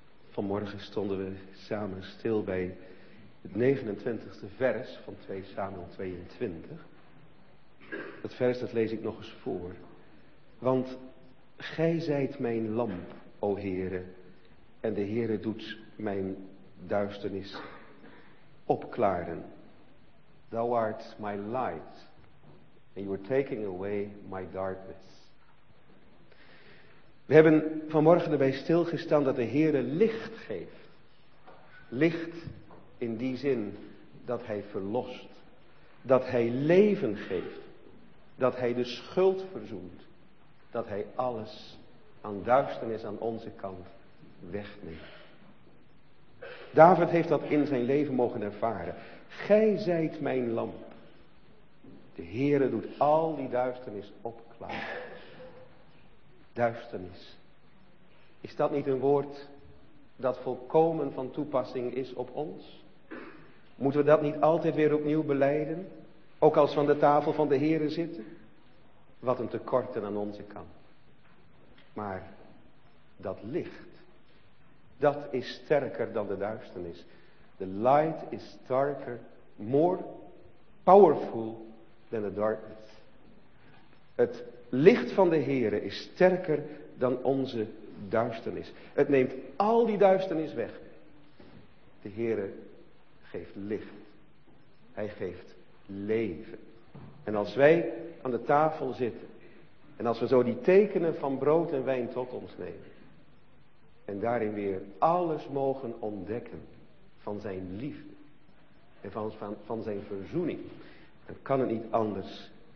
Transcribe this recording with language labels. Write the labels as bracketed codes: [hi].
[nl] Vanmorgen stonden we samen stil bij het 29e vers van 2 Samuel 22. Dat vers, dat lees ik nog eens voor. Want gij zijt mijn lamp, o Heere, en de Heere doet mijn duisternis opklaren. [en] Thou art my light, and you are taking away my darkness. [nl] We hebben vanmorgen erbij stilgestaan dat de Heere licht geeft. Licht in die zin dat Hij verlost. Dat Hij leven geeft. Dat Hij de schuld verzoent. Dat Hij alles aan duisternis aan onze kant wegneemt. David heeft dat in zijn leven mogen ervaren. Gij zijt mijn lamp. De Heere doet al die duisternis opklaren. Duisternis. Is dat niet een woord dat volkomen van toepassing is op ons? Moeten we dat niet altijd weer opnieuw belijden? Ook als we aan de tafel van de Heere zitten? Wat een tekorten aan onze kant. Maar dat licht, dat is sterker dan de duisternis. [en] The light is darker, more powerful than the darkness. [nl] Het licht van de Heere is sterker dan onze duisternis. Het neemt al die duisternis weg. De Heere geeft licht. Hij geeft leven. En als wij aan de tafel zitten, en als we zo die tekenen van brood en wijn tot ons nemen, en daarin weer alles mogen ontdekken van zijn liefde en van zijn verzoening, dan kan het niet anders.